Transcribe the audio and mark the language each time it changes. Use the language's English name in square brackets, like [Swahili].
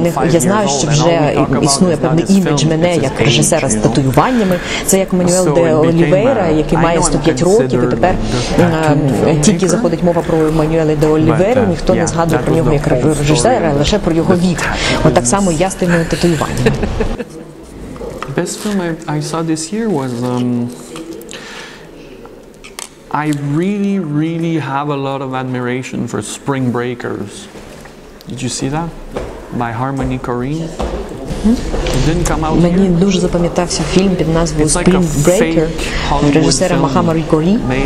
[Ukrainian] Я знаю, що вже існує певний імідж мене як режисера з татуюваннями. Це як Манюел де Олівейра, який має 105 років, і тепер тільки заходить мова про Манюела де Олівейру, ніхто не згадує про нього як режисера, а лише про його вік. От так само я з тими татуюваннями. [English] Best film I saw this year was I really have a lot of admiration for Spring Breakers. Did you see that? By Harmony Korine. [Ukrainian] Мені дуже запам'ятався фільм під назвою Spring Breaker режисера Махамарі Корі.